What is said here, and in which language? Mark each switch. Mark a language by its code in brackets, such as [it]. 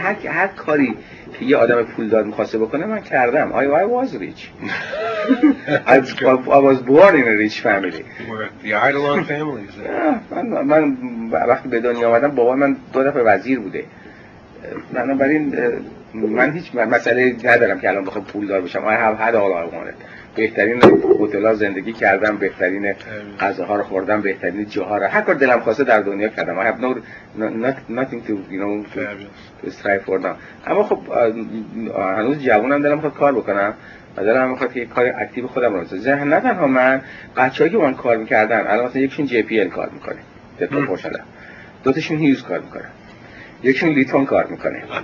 [fa] هر کاری که یه آدم پول داد میخواسته بکنه من کردم. [en] I was rich. I was born in a rich family. The Eidolon family. [fa] من وقتی به دنیا آمدم بابا من دو دفعه وزیر بوده. من برای این من هیچ مسئله ندارم که الان بخوام پول دار بشم. [en] I have had all I wanted. [fa] بهترین هتل ها زندگی کردم، بهترین غذاها رو خوردم، بهترین جاها رو هر کار دلم خواسته در دنیا کردم. [en] I have nothing to, you know, to strive for now. [fa] اما خب هنوز جوانم، دلم میخواد کار بکنم و دلم میخواد که کار اکتیو خودم رو بسازم. نه تنها من، بچه هایی که من کار میکردن الان مثلا یکشون JPL کار میکنه، دکتر پرشده، دوتشون هیوز کار میکنه، یکشون لیتون کار میکنه.